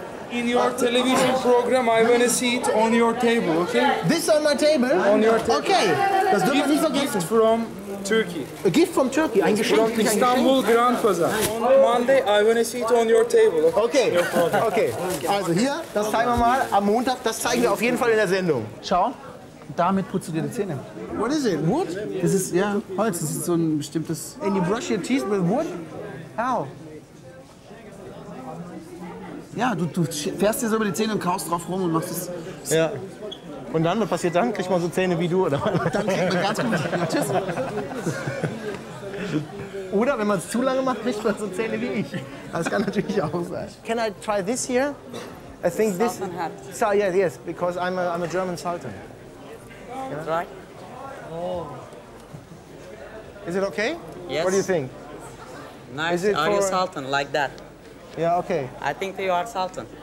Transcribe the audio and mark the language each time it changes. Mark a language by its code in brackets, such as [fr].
[en] In your television program, I want to see it on your table, okay? This on my table? On your table. [de] Okay. Das dürfen wir nicht vergessen. [en] Gift from Turkey. A gift from Turkey? [de] Ein Geschenk? [en] From Istanbul Grand Bazaar. On Monday, I want to see it on your table. Okay. Okay. [de] Also hier, das zeigen wir mal am Montag. Das zeigen wir auf jeden Fall in der Sendung. Ciao. Damit putzt du dir die Zähne. [en] What is it? Wood? [de] Das ist, ja, Holz. Das ist so ein bestimmtes... [en] And you brush your teeth with wood? How? [de] Ja, du fährst dir so über die Zähne und kaust drauf rum und machst es... Ja. Und dann, was passiert dann? Kriegt man so Zähne wie du, oder? Dann kriegt man ganz gut. Tschüss. Oder, wenn man es zu lange macht, kriegt man so Zähne wie ich. Das kann natürlich auch sein. [en] Can I try this here? I think this... Sultan hat. So, yes, because I'm a German Sultan. Right. Oh. Is it okay? Yes. What do you think? Nice. Are you Sultan like that? Yeah. Okay. I think you are Sultan.